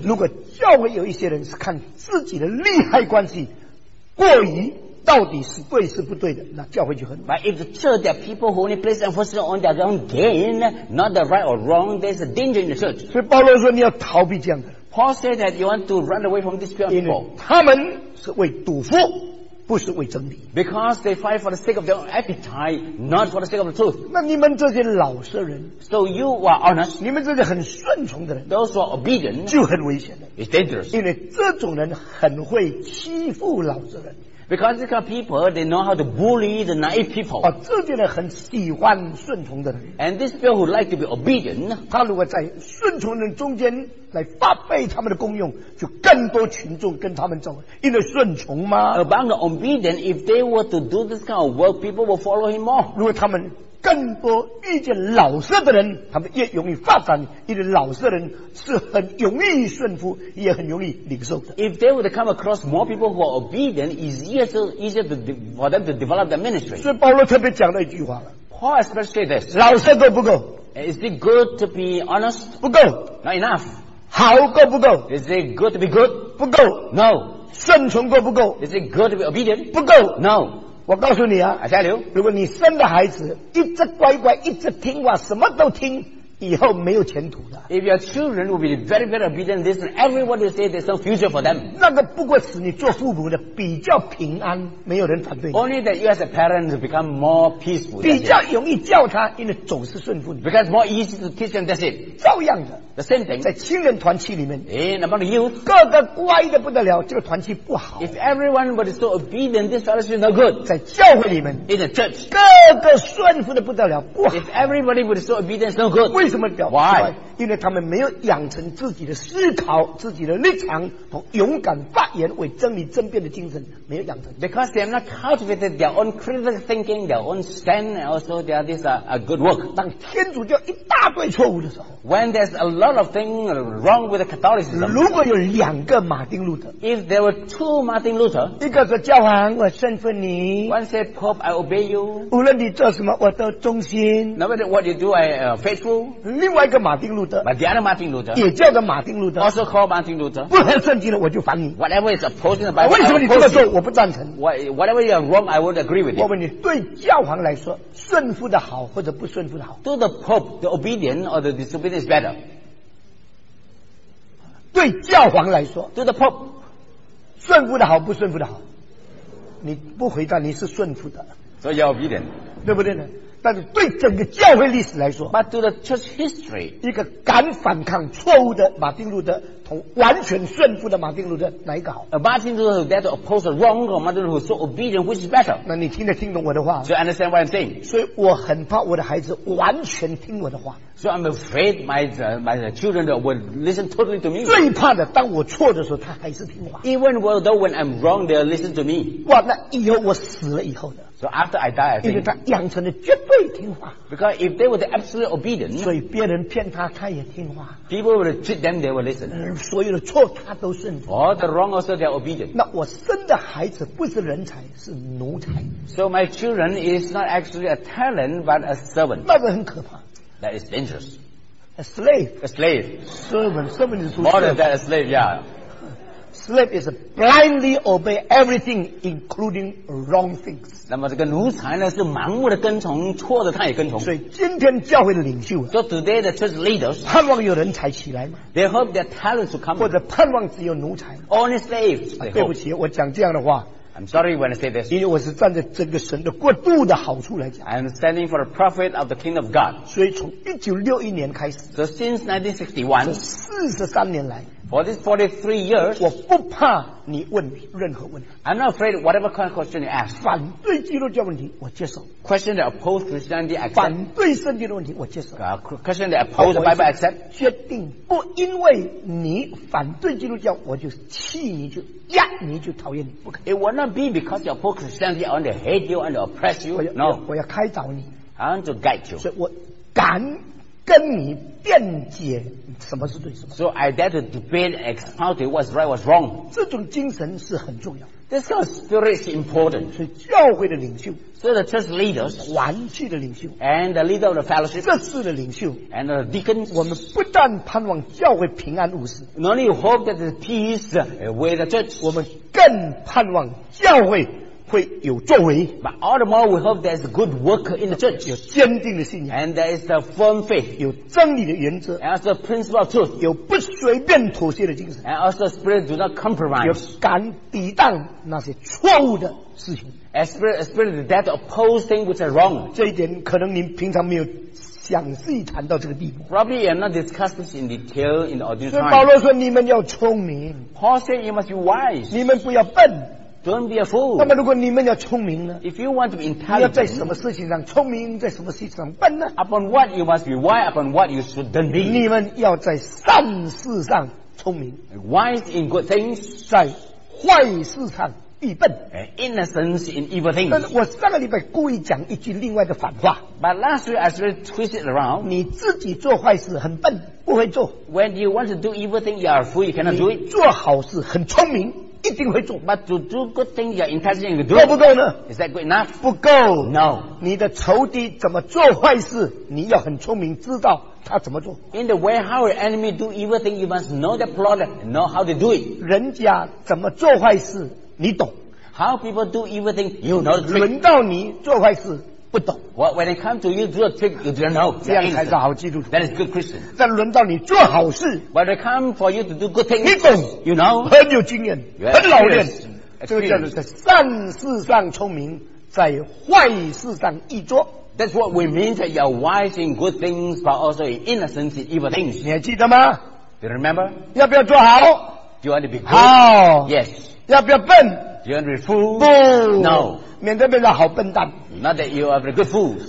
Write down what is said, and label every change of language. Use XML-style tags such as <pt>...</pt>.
<zh>如果教会有一些人是看自己的利害关系过于到底是对是不对的，那教会就很。</zh> <en>But if the church there are people who only place emphasis on their own gain, not the right or wrong, there's a danger in the church.</en> <zh>所以保罗说你要逃避这样的。</zh> <en>Paul said that you want to run away from these people.</en> <zh>因为他们是为赌夫，不是为真理。</zh> <en>Because they fight for the sake of their own appetite, not for the sake of the truth.</en> <zh>那你们这些老实人</zh> <en>，So you are honest.</en> <zh>你们这些很顺从的人</zh> <en>，Those who are obedient,</en> <zh>就很危险的。</zh> <en>It's dangerous.</en> <zh>因为这种人很会欺负老实人。</zh> <en>Because these kind of people, they know how to bully the naive people.</en> <zh>这些人很喜欢顺从的人。</zh> <en>And these people who like to be obedient,</en> <zh>他如果在顺从人中间来发挥他们的功用，就更多群众跟他们走，因为顺从嘛。</zh> <en>Among the obedient, if they were to do this kind of work, people will follow him more.</en> <zh>如果他们更多遇见老实的人，他们越容易发展，因为老实的人是很容易顺服，也很容易领受的。</zh> <en>If they would come across more people who are obedient, it's easier to, for them to develop their ministry.</en> <zh>所以保罗特别讲了一句话了。</zh> <en>Paul especially this.</en> <zh>老实够不够？</zh> <en>Is it good to be honest?</en> <zh>不够。</zh> <en>Not enough.</en> <zh>好够不够？</zh> <en>Is it good to be good?</en> <zh>不够。</zh> <en>No.</en> <zh>顺从够不够？</zh> <en>Is it good to be obedient?</en> <zh>不够。</zh> <en>No.</en> <zh>我告诉你啊</zh> <en>I tell you,</en> <zh>如果你生的孩子一直乖乖一直听话什么都听以后没有前途的</zh> <en>If your children will be very very obedient listen, everyone will say there's no future for them</en> <zh>那个不过使你做父母的比较平安没有人反对</zh> <en>Only that you as a parent become more peaceful</en> <zh>比较容易教他因为总是顺服你</zh> <en>Because more easy to teach them that's it</en> <zh>照样的</zh> <en>The same thing</en> <zh>在亲人团契里面</zh> <en>In among the youth</en> <zh>个个乖得不得了这个团契不好</zh> <en>If everyone were so obedient this fellowship is no good</en> <zh>在教会里面</zh> <en>In the church</en> <zh>个个顺服得不得了不好</zh> <en>If everybody were so obedient it's no good</en> <zh>为什么表</zh> <en>示 Why?</en> <zh>因为他们没有养成自己的思考自己的立场和勇敢发言为真理争辩的精神没有养成</zh> <en>Because they have not cultivated their own critical thinking their own stand and also their this a good work</en> <zh>当天主教一大堆错误的时候</zh> <en>When there's a lot of things wrong with Catholicism</en> <zh>如果有两个马丁路德</zh> <en>If there were two Martin Luther</en> <zh>一个是教皇我顺服你</zh> <en>One said Pope I obey you</en> <zh>无论你做什么我都忠心</zh> <en>No matter what you do I faithful</en> <zh>另外一个马丁路德</zh> <en>But the other Martin Luther</en> <zh>也叫做马丁路德</zh> <en>Also called Martin Luther</en> <zh>不合圣经的我就烦你</zh> <en>Whatever is opposing the Bible</en> <zh>为什么你这么做我不赞成</zh> <en>Whatever you are wrong I won't agree with you</en> <zh>我问你对教皇来说顺服的好或者不顺服的好</zh> <en>To the Pope the obedient or the disobedient is better</en> <zh>对教皇来说</zh> <en>To the Pope</en> <zh>顺服的好不顺服的好你不回答你是顺服的</zh> <en>So you are obedient</en> <zh>对不对呢但是对整个教会历史来说</zh> <en>But to the church history</en> <zh>一个敢反抗错误的马丁路德同完全顺服的马丁路德哪一个好</zh> <en>Martin Luther that opposed the wrong or Martin Luther so obedient which is better</en> <zh>那你听得听懂我的话</zh> <en>So you understand what I'm saying</en> <zh>所以我很怕我的孩子完全听我的话</zh> <en>So I'm afraid my children will listen totally to me</en> <zh>最怕的当我错的时候他还是听话</zh> <en>Even though when I'm wrong they'll listen to me</en> <zh>哇那以后我死了以后呢</zh> <en>So after I die, I think.</en> <zh>因为他养成了绝对听话。</zh> <en>Because if they were the absolute obedient,</en> <zh>所以别人骗他，他也听话。</zh> <en>People would treat them, they would listen.</en> <zh>所有的错他都顺服。</zh> <en>All the wrong also they are obedient.</en> <zh>那我生的孩子不是人才，是奴才。</zh> <en>So my children is not actually a talent, but a servant.</en> <zh>那个很可怕。</zh> <en>That is dangerous. A slave. A slave. Servant. Servant is more than that, a slave, yeah. Slave is blindly obey everything, including wrong things.</en> <zh>那么这个奴才呢，是盲目的跟从，错的他也跟从。所以今天教会的领袖</zh> <en>，so today the church leaders，</en> <zh>盼望有人才起来吗</zh> <en>？They hope their talents will come，</en> <zh>或者盼望只有奴才</zh> <en>？Only slaves。</en> <zh>对不起，我讲这样的话。</zh> <en>I'm sorry when I say this，</en> <zh>因为我是站在这个神的国度的好处来讲。</zh> <en>I'm standing for the prophet of the king of God。</en> <zh>所以从1961年开始</zh> <en>，so since 1961，</en> <zh>43年来。</zh> <en>For these 43 years,</en> <zh>我不怕你问任何问题。</zh> <en>I'm not afraid whatever kind of question you ask.</en> <zh>反对基督教问题，我接受。</zh> <en>Question that oppose Christianity, I accept.</en> <zh>反对圣经的问题，我接受。</zh> <en>Question that oppose the Bible, I accept.</en> <zh>决定不因为你反对基督教，我就气你，就压你，就讨厌你。不可</zh> <en>以。It will not be because you oppose Christianity, I want to hate you and oppress you. No.</en> <zh>我要开导你。</zh> <en>I want to guide you.</en> <zh>所以我敢跟你辩解什么是对什么。</zh> <en>So I dare to debate and expound to what's right, what's wrong.</en> <zh>这种精神是很重要。</zh> <en>This kind of spirit is important.</en> <zh>是教会的领袖。</zh> <en>So the church leaders.</en> <zh>团契的领袖。</zh> <en>And the leader of the fellowship.</en> <zh>这次的领袖。</zh> <en>And the deacons.</en> <zh>我们不但盼望教会平安无事。</zh> <en>Not only hope that there's peace with the church.</en> <zh>我们更盼望教会会有作为。</zh> <en>But all the more we hope there's a good work in the church.</en> <zh>有坚定的信仰。</zh> <en>And there is a firm faith.</en> <zh>有真理的原则。</zh> <en>And also a principle of truth.</en> <zh>有不随便妥协的精神。</zh> <en>And also a spirit do not compromise.</en> <zh>有敢抵挡那些错误的事情。</zh> <en>A spirit that oppose things which are wrong.</en> <zh>这一点可能您平常没有详细谈到这个地步。</zh> <en>Probably you're not discussing in detail in the ordinary time.</en> <zh>所以保罗说你们要聪明。</zh> <en>Paul said you must be wise.</en> <zh>你们不要笨。</zh> <en>Don't be a fool.</en> <zh>那么如果你们要聪明呢？</zh> <en>If you want to be intelligent,</en> <zh>你要在什么事情上聪明，在什么事情上笨呢？</zh> <en>Upon what you must be wise, upon what you shouldn't be.</en> <zh>你们要在善事上聪明。</zh> <en>Wise in good things,</en> <zh>在坏事上愚笨。</zh> <en>Innocence in evil things.</en> <zh>我上个礼拜故意讲一句另外的反话。</zh> <en>But last week I sort of twist it around.</en> <zh>你自己做坏事很笨，不会做。</zh> <en>When you want to do evil things, you are a fool, you cannot do it.</en> <zh>做好事很聪明。一定会做</zh> <en>，But to do good things, you're intelligent to do.</en> <zh>够不够呢</zh> <en>？Is that good enough?</en> <zh>不够</zh> <en>，No.</en> <zh>你的仇敌怎么做坏事，你要很聪明，知道他怎么做。</zh> <en>In the way how your enemy do evil thing, you must know the plot and know how to do it.</en> <zh>人家怎么做坏事，你懂。</zh> <en>How people do evil thing, you know the trick.</en> <zh>轮到你做坏事，不懂。</zh> <en>Well, when it comes to you do a trick, you don't know.</en> <zh>这样才是好基督徒。</zh> <en>That is good Christian.</en> <zh>再轮到你做好事。</zh> <en>When it comes for you to do good things,</en> <zh>你懂。</zh> <en>You know.</en> <zh>很有经验，很老练。这个叫做在善事上聪明，在坏事上易拙。</zh> <en>That's what we mean that you are wise in good things, but also in innocence in evil things.</en> <zh>你还记得吗</zh> <en>？Do you remember?</en> <zh>要不要做好</zh> <en>？Do you want to be good?</en> <zh>好。</zh> <en>Yes.</en> <zh>要不要笨</zh> <en>？Do you want to be fool? No. No.</en> <zh>免得变成好笨蛋。</zh> <en>Not that you are a good fool.</en>